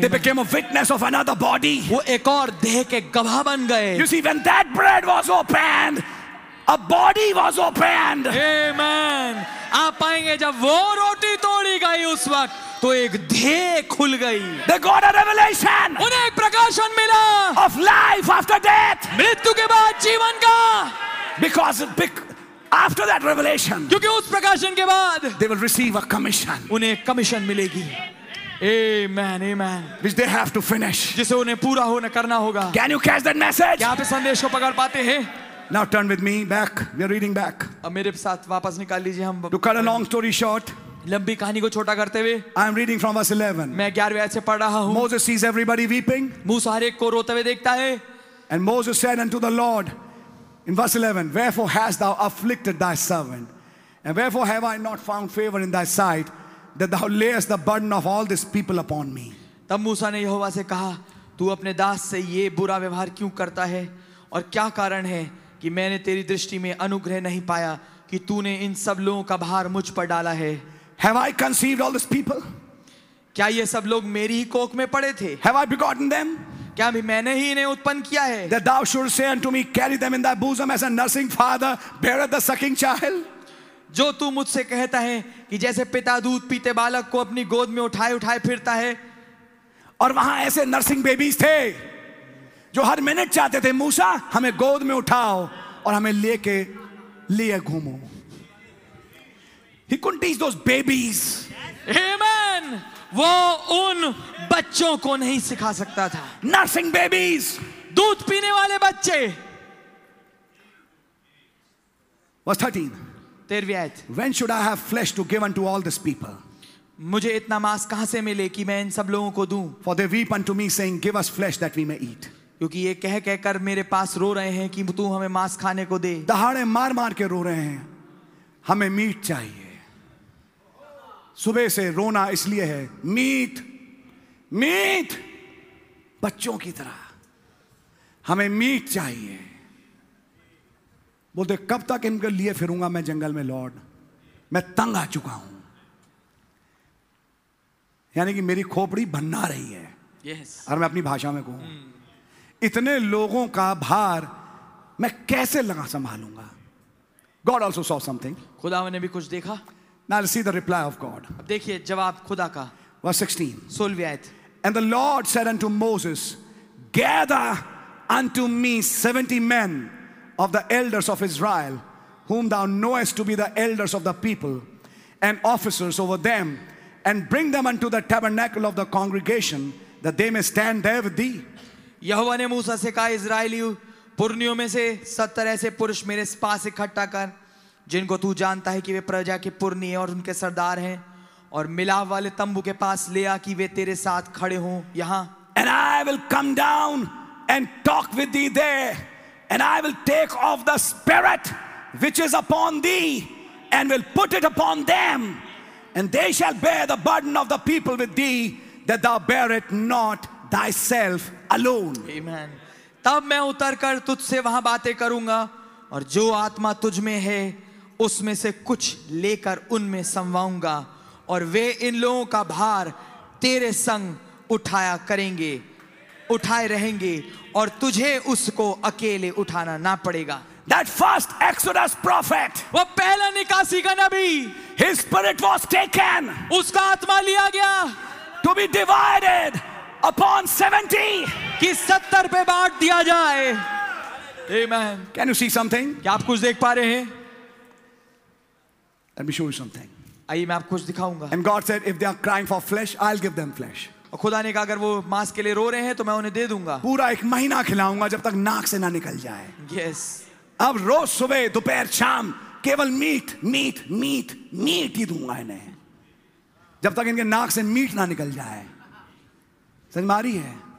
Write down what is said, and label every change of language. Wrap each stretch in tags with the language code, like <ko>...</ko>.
<en>They became a witness of another body.</en> <hi>वो एक और देह के गवाह बन गए.</hi> <en>You see, when that bread was opened, a body was opened. Amen.</en> <hi>आप पाएंगे जब वो रोटी तोड़ी गई उस वक्त तो एक देह खुल गई.</hi> <en>They got a revelation.</en> <hi>उन्हें एक प्रकाशन मिला.</hi> <en>Of life after death.</en> <hi>मृत्यु के बाद जीवन का.</hi> <en>Because after that revelation.</en> <hi>क्योंकि उस प्रकाशन के बाद.</hi> <en>They will receive a commission.</en> <hi>उन्हें कमीशन मिलेगी. Amen, amen.</hi> <en>Which they have to finish.</en> <hi>जिसे उन्हें पूरा होना करना होगा.</hi> <en>Can you catch that message?</en> <hi>क्या आप इस संदेश को पकड़ पाते हैं?</hi> <en>Now turn with me back. We are reading back.</en> <hi>अब मेरे साथ वापस निकाल लीजिए हम.</hi> <en>To cut a long story short.</en> <hi>लंबी कहानी को छोटा करते हुए.</hi> <en>I am reading from verse 11.</en> <hi>मैं 11वें आयत से पढ़ रहा हूँ.</hi> <en>Moses sees everybody weeping.</en> <hi>मूसा हर एक को रोते हुए देखता है.</hi> <en>And Moses said unto the Lord, in verse 11, wherefore hast thou afflicted thy servant, and wherefore have I not found favor in thy sight? That thou layest the burden of all this people upon me.</en> <hi>तब मूसा ने यहोवा से कहा, तू अपने दास से ये बुरा व्यवहार क्यों करता है? और क्या कारण है कि मैंने तेरी दृष्टि में अनुग्रह नहीं पाया कि तूने इन सब लोगों का भार मुझ पर डाला है?</hi> <en>Have I conceived all these people?</en> <hi>क्या ये सब लोग मेरी ही कोख में पड़े थे?</hi> <en>Have I begotten them?</en> <hi>क्या भी मैंने ही इन्हें उत्पन्न किया है?</hi> <en>That thou should say unto me, carry them in thy bosom as a nursing father beareth the sucking child?</en> <hi>जो तू मुझसे कहता है कि जैसे पिता दूध पीते बालक को अपनी गोद में उठाए उठाए फिरता है. और वहां ऐसे नर्सिंग बेबीज थे जो हर मिनट चाहते थे, मूसा हमें गोद में उठाओ और हमें लेके लिए घूमो.</hi> <en>He couldn't teach those babies. Amen.</en> <hi>वो उन बच्चों को नहीं सिखा सकता था. नर्सिंग बेबीज, दूध पीने वाले बच्चे.</hi> <en>Verse 13. When should I have flesh to give unto all these people?</en> <hi>मुझे इतना मांस कहाँ से मिले कि मैं इन सब लोगों को दूँ?</hi> <en>For they weep unto me, saying, "Give us flesh that we may eat."</en> <hi>क्योंकि ये कह कह कर मेरे पास रो रहे हैं कि तू हमें मांस खाने को दे. दहाड़े मार मार के रो रहे हैं, हमें मीट चाहिए. सुबह से रोना इसलिए है, मीट, मीट, बच्चों की तरह, हमें मीट चाहिए. बोलते कब तक इनके लिए फिरूंगा मैं जंगल में, लॉर्ड मैं तंग आ चुका हूं. यानी कि मेरी खोपड़ी भन्ना रही है.</hi> <en>Yes.</en> <hi>और मैं अपनी भाषा में कहूं, इतने लोगों का भार मैं कैसे लगा संभालूंगा.</hi> <en>God also saw something.</en> <hi>खुदा ने भी कुछ देखा.</hi> <en>Now see the reply of God.</en> <hi>अब देखिए जवाब खुदा का.</hi> <en>Verse 16.</en> <hi>16वीं आयत.</hi> <en>And the Lord said unto Moses, Gather unto me 70 men of the elders of Israel, whom thou knowest to be the elders of the people, and officers over them, and bring them unto the tabernacle of the congregation, that they may stand there with thee.</en> <hi>यहोवा ने मूसा से कहा, इज़राइलियों पुरनियों में से 70 ऐसे पुरुष मेरे पास इकट्ठा कर, जिनको तू जानता है कि वे प्रजा के पुरनिये और उनके सरदार हैं, और मिलाप वाले तंबू के पास ले आ कि वे तेरे साथ खड़े हों यहाँ.</hi> <en>And I will come down and talk with thee there, and I will take off the spirit which is upon thee, and will put it upon them, and they shall bear the burden of the people with thee, that thou bear it not thyself alone. Amen.</en> <hi>तब मैं उतर कर तुझसे वहां बातें करूंगा, और जो आत्मा तुझ में है उसमें से कुछ लेकर उनमें समवाऊंगा, और वे इन लोगों का भार तेरे संग उठाया करेंगे, उठाए रहेंगे, और तुझे उसको अकेले उठाना ना पड़ेगा.</hi> <en>That first Exodus prophet,</en> <hi>वो पहला निकासी का नबी,</hi> <en>his spirit was taken,</en> <hi>उसका आत्मा लिया गया,</hi> <en>to be divided upon 70,</en> <hi>कि 70 पे बांट दिया जाए. Amen.</hi> <en>Can you see something?</en> <hi>क्या आप कुछ देख पा रहे हैं?</hi> <en>Let me show you something.</en> <hi>आइए मैं आपको कुछ दिखाऊंगा.</hi> <en>And God said, if they are crying for flesh, I'll give them flesh.</en> <hi>और खुदा ने कहा, अगर वो मांस के लिए रो रहे हैं तो मैं उन्हें दे दूंगा. पूरा एक महीना खिलाऊंगा जब तक नाक से ना निकल जाए.</hi> <en>Yes.</en> <hi>अब रोज सुबह दोपहर शाम केवल मीट मीट मीट मीट ही दूंगा इन्हें, जब तक इनके नाक से मीट ना निकल जाए. समझ में आ रही है?</hi>